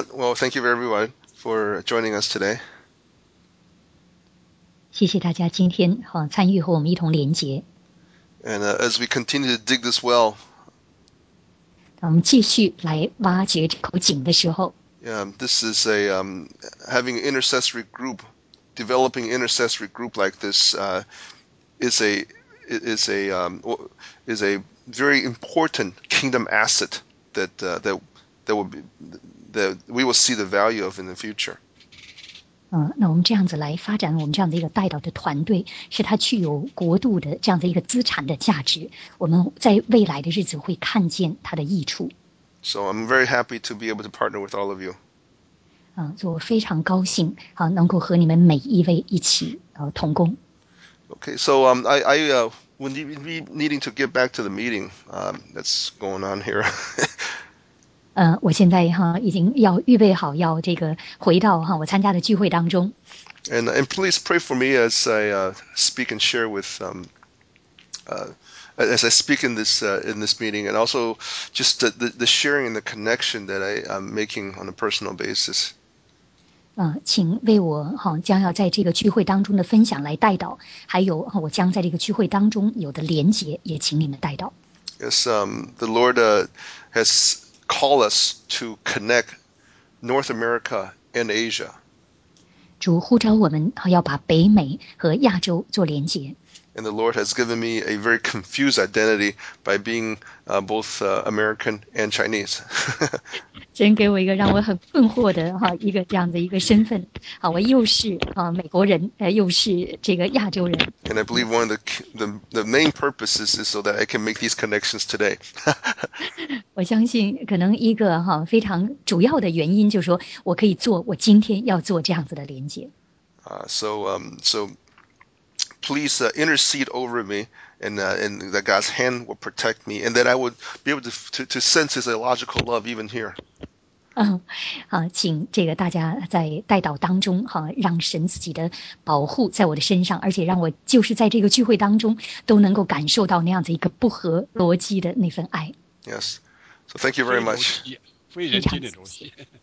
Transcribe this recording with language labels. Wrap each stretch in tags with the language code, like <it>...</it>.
<en>Well, thank you everyone for joining us today.</en> <zh>谢谢大家今天参与和我们一同连结。</zh> <en>And as we continue to dig this well,</en> <zh>我们继续来挖掘这口井的时候。</zh> <en>Yeah, this is a having an intercessory group, developing intercessory group like this is a very important kingdom asset that we will see the value of in the future.</en> <zh>那我们这样子来发展我们这样的一个带导的团队，是它具有国度的这样的一个资产的价值，我们在未来的日子会看见它的益处。</zh> <en>So I'm very happy to be able to partner with all of you.</en> <zh>我非常高兴能够和你们每一位一起同工。</zh> <en>Okay, so I We'll be needing to get back to the meeting that's going on here.</en> <zh>我现在哈已经要预备好要这个回到哈我参加的聚会当中。</zh> <en>And please pray for me as I speak and share with as I speak in this meeting, and also just the sharing and the connection that I'm making on a personal basis.</en> <zh>请为我哈将要在这个聚会当中的分享来代祷，还有我将在这个聚会当中有的连结，也请你们代祷。</zh> <en>Yes, the Lord has called us to connect North America and Asia.</en> <zh>主呼召我们要把北美和亚洲做连结。</zh> <en>And the Lord has given me a very confused identity by being both American and Chinese.</en> <zh>神给我一个让我很困惑的哈一个这样的一个身份，好，我又是美国人，又是这个亚洲人。</zh> <en>And I believe one of the main purposes is so that I can make these connections today.</en> <zh>我相信可能一个哈非常主要的原因就是说我可以做我今天要做这样子的连接。</zh> <en>So. Please intercede over me, and that God's hand will protect me, and that I would be able to sense His illogical love even here.</en> <zh>请这个大家在代祷当中哈，让神自己的保护在我的身上，而且让我就是在这个聚会当中都能够感受到那样子一个不合逻辑的那份爱。</zh> <en>Yes, so thank you very much.</en> <zh>非人间的逻辑，</zh>